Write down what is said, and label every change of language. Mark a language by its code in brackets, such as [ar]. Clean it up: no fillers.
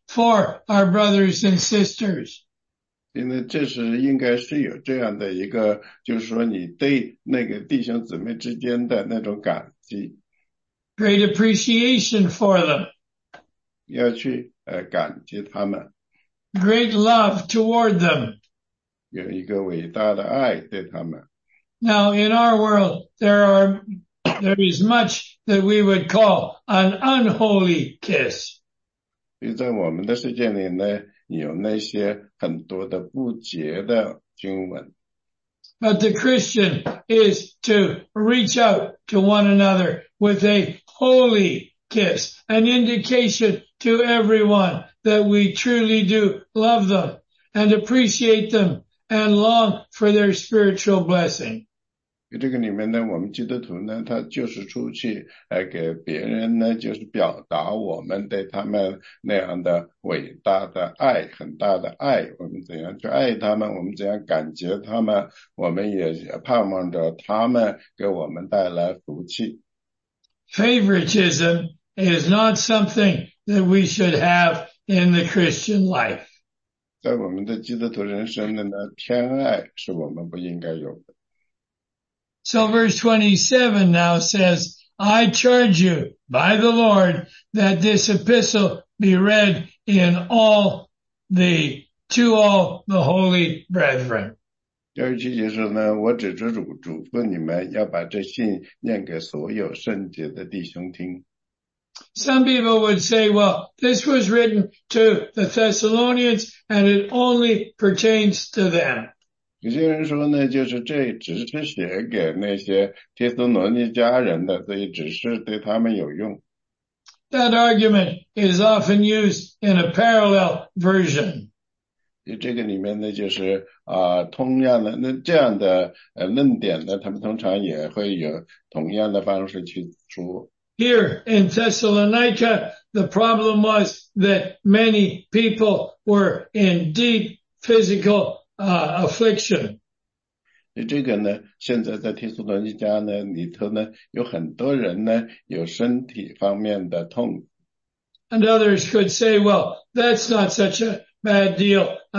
[en] For our brothers and sisters. [zh] 因为这是应该是有这样的一个就是说你对那个弟兄姊妹之间的那种感激。 [en] Great appreciation for them. [zh] 要去感激他们。 [en] Great love toward them. [zh] 有一个伟大的爱对他们。 [en] Now in our world, there is much that we would call an unholy kiss. [zh] 所以在我们的世界里呢有那些很多的不洁的经文。 [en] But the Christian is to reach out to one another with a holy kiss, an indication to everyone that we truly do love them and appreciate them and long for their spiritual blessing. [zh] 这个里面呢我们基督徒呢他就是出去给别人呢就是表达我们对他们那样的伟大的爱很大的爱我们怎样去爱他们我们怎样感激他们我们也盼望着他们给我们带来福气。 [en] Favoritism is not something that we should have in the Christian life. [zh] 在我们的基督徒人生的呢，偏爱是我们不应该有的。 [en] So verse 27 now says, I charge you by the Lord that this epistle be read in all the, to all the holy brethren. [zh] 第二节说呢，我指着主嘱咐你们要把这信念给所有圣洁的弟兄听。 [en] Some people would say, well, this was written to the Thessalonians and it only pertains to them. [zh] 有些人说呢，就是这只是写给那些帖撒罗尼迦人的，所以只是对他们有用。 [en] That argument is often used in a parallel version. [zh] 这个里面呢，就是同样的那这样的论点呢，他们通常也会有同样的方式去说。 [en] Here in Thessalonica, the problem was that many people were in deep physical affliction. [zh] 这个呢，现在在提苏罗尼迦呢里头呢，有很多人呢有身体方面的痛。 [en] And others could say, well, that's not such a bad deal.